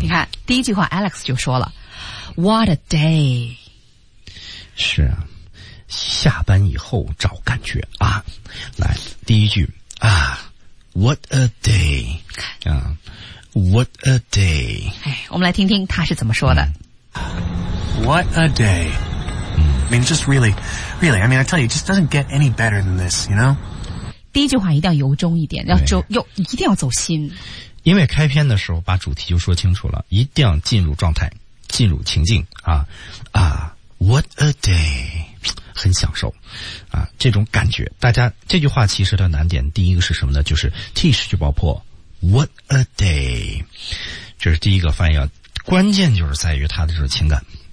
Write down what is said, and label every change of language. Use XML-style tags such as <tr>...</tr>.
<zh>你看第一句话 Alex 就说了</zh> <en>What a day。</en> <zh>是啊，下班以后找感觉啊，来第一句啊 ，</zh> <en>What a day</en> <zh>啊 ，What a day。哎，我们来听听他是怎么说的。</zh> <en>What a day。嗯， I mean, just really, really, I mean, I tell you, it just doesn't get any better than this, you know?</en> <zh>第一句话一定要由衷一点，要走，要一定要走心。因为开篇的时候把主题就说清楚了，一定要进入状态，进入情境啊啊 ，</zh> <en>What a day，</en> <zh>很享受啊，这种感觉。大家这句话其实的难点，第一个是什么呢？就是 T 失去爆破 ，</zh> <en>What a day，</en> <zh>这是第一个翻译要，关键就是在于他的这种情感。</zh>